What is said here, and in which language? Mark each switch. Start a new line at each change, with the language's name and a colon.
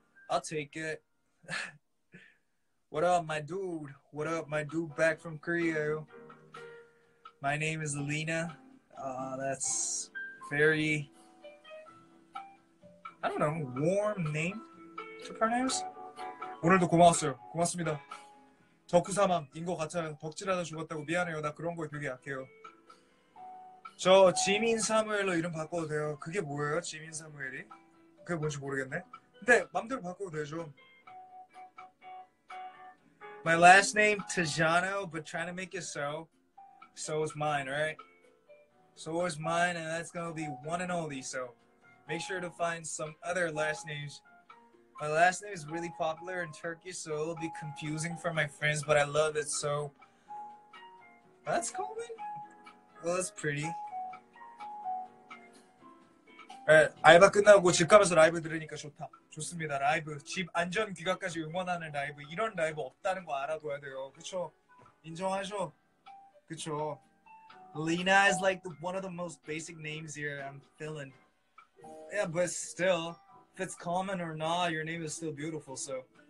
English: I'll take it. What up, my dude? What up, my dude back from Korea? My name is Alina. That's very, I don't know, warm name to pronounce.
Korean: 오늘도 고마웠어요. 고맙습니다. 덕후사망인 것 같아요. 덕질하다 죽었다고 미안해요. 나 그런 거에 되게 약해요. 저 지민 사무엘로 이름 바꿔도 돼요. 그게 뭐예요? 지민 사무엘이? 그게 뭔지 모르겠네. 근데 맘대로 바꿔도 되죠.
English: My last name Tejano, but trying to make it so. So is mine, right? So is mine, and that's gonna be one and only. So, make sure to find some other last names. My last name is really popular in Turkey, so it'll be confusing for my friends. But I love it so. That's Coleman. Well, that's pretty.
Korean: Alright, 알바 끝나고 집 가면서 라이브 들으니까 좋다. 좋습니다. 라이브 집 안전 귀가까지 응원하는 라이브. 이런 라이브 없다는 거 알아둬야 돼요. 그쵸? 인정하죠? 그쵸.
English: Lena is like the, one of the most basic names here I'm feeling. Yeah, but still, if it's common or not, your name is still beautiful, so.